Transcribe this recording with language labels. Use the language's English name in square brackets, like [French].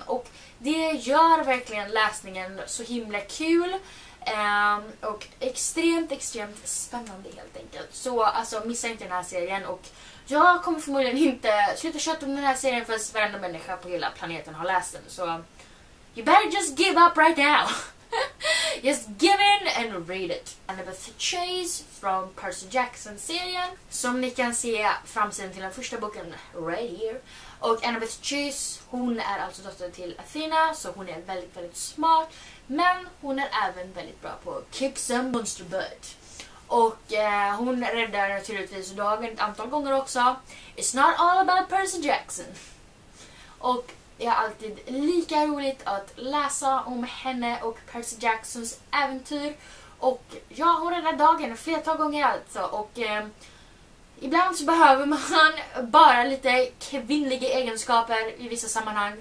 [Swedish] Och det gör verkligen läsningen så himla kul. Och extremt, extremt spännande helt enkelt. Så alltså, missa inte den här serien. Och jag kommer förmodligen inte sluta köta om den här serien för varenda människa på hela planeten har läst den. Så [English] you better just give up right now. Just give in and read it. [Swedish] Annabeth Chase från Percy Jackson-serien. Som ni kan se framsidan till den första boken [English] right here. [Swedish] Och Annabeth Chase, hon är alltså dotter till Athena. Så hon är väldigt, väldigt smart. Men hon är även väldigt bra på [English] kick some monster butt. [Swedish] Och hon räddar naturligtvis dagen ett antal gånger också. [English] It's not all about Percy Jackson. [Swedish] Och det är alltid lika roligt att läsa om henne och Percy Jacksons äventyr. Och ja, hon räddar dagen flertal gånger alltså. Och ibland så behöver man bara lite kvinnliga egenskaper i vissa sammanhang.